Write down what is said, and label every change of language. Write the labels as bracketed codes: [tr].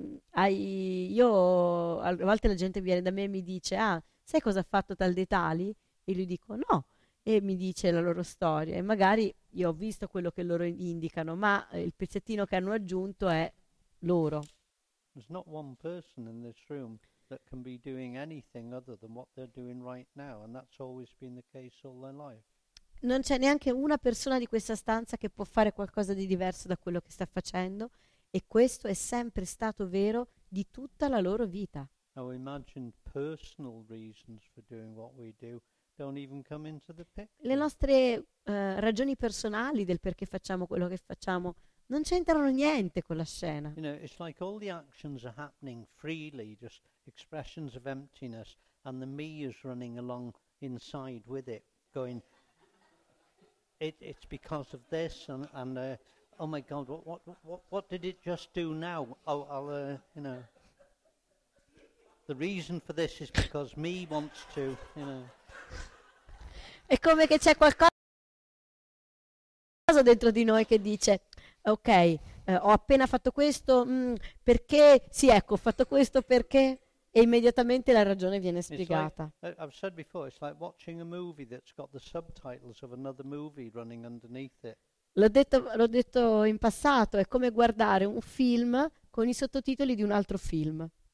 [it] A volte la gente viene da me e mi dice, "Ah, sai cosa ha fatto tal dei tali?" E gli dico, "No." E mi dice la loro storia. E magari io ho visto quello che loro indicano, ma il pezzettino che hanno aggiunto è loro. [en] There's not one person in this room that can be doing anything other than what they're doing right now, and that's always been the case all their life. [it] Non c'è neanche una persona di questa stanza che può fare qualcosa di diverso da quello che sta facendo, e questo è sempre stato vero di tutta la loro vita. [en] Now imagine personal reasons for doing what we do don't even come into the picture. [it] Le nostre ragioni personali del perché facciamo quello che facciamo non c'entrano niente con la scena. [en] You know, it's like all the actions are happening freely, just expressions of emptiness, and the me is running along inside with it, going, it's because of this, and oh my God, what did it just do now? I'll the reason for this is because me wants to, you know. [it] È come che c'è qualcosa dentro di noi che dice, ok, ho appena fatto questo, perché, sì, ecco, ho fatto questo perché... E immediatamente la ragione viene spiegata. [en] I've said before, it's like watching a movie that's got the subtitles of another movie running underneath it. [it] L'ho detto in passato, è come guardare un film con i sottotitoli di un altro film.